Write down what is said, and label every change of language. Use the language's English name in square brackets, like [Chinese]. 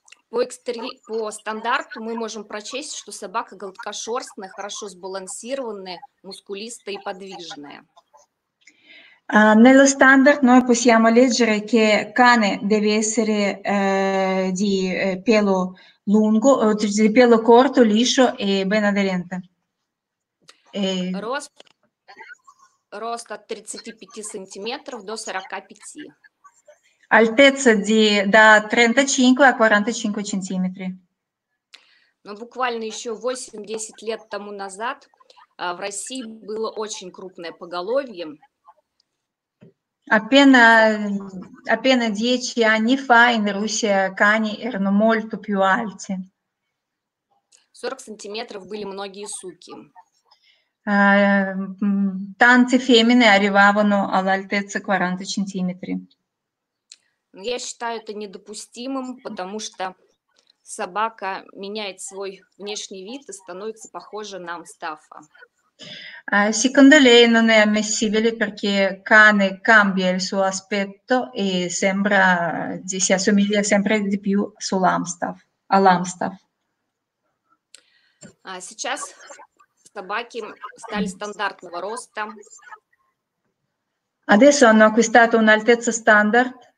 [Russian] По стандарту мы можем прочесть, что собака гладкошерстная, хорошо сбалансированная, мускулистая и подвижная. [Italian] Nello standard noi possiamo leggere che cane deve essere di pelo lungo, di pelo corto, liscio e ben aderente. [Russian] Rosto da 35 cm do 45. [Italian] Altezza da 35 a 45 cm. [Russian] No, буквально еще 8-10 лет тому назад в России было очень крупное поголовье. [Italian] Appena 10 anni fa in Russia cani erano molto più alti. [Russian] 40 cm были многие суки. [Italian] Tante femmine arrivavano all'altezza 40 cm. [Russian] Я считаю это недопустимым, потому что собака меняет свой внешний вид и становится похожа на мстафа. [Italian] Secondo lei non è ammissibile perché cane cambia il suo aspetto e sembra si assomiglia sempre di più all'Amstaff. [Russian] Сейчас собаки стали стандартного роста. [Italian] Adesso hanno acquistato un'altezza standard.